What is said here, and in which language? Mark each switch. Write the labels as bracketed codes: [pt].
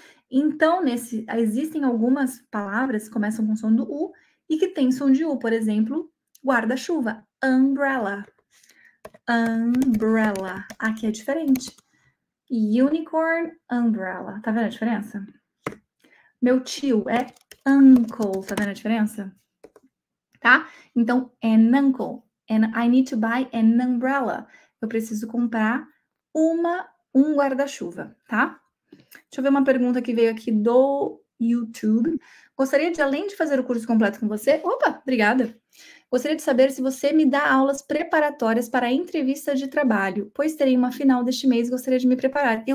[pt] Então, nesse existem algumas palavras que começam com som do U e que tem som de U, por exemplo, guarda-chuva, umbrella. Umbrella. Aqui é diferente. Unicorn, umbrella. Tá vendo a diferença? Meu tio é uncle, tá vendo a diferença? Tá? Então, an uncle. [en] And I need to buy an umbrella. [pt] Eu preciso comprar um guarda-chuva, tá? Deixa eu ver uma pergunta que veio aqui do YouTube. Gostaria de, além de fazer o curso completo com você, opa, obrigada. Gostaria de saber se você me dá aulas preparatórias para a entrevista de trabalho, pois terei uma final deste mês e gostaria de me preparar.